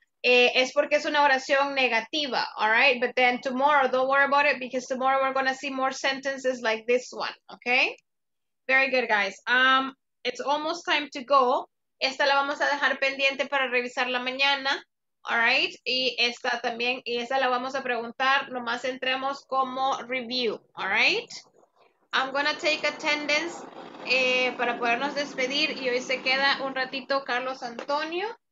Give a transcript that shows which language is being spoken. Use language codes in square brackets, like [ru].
[es] Es porque es una oración negativa, all right? [en] But then tomorrow, don't worry about it, because tomorrow we're going to see more sentences like this one, okay? Very good, guys. It's almost time to go. [es] Esta la vamos a dejar pendiente para revisar la mañana, all right? Y esta también, y esa la vamos a preguntar, nomás entremos como review, all right? [en] I'm going to take attendance [es] para podernos despedir, y hoy se queda un ratito Carlos Antonio.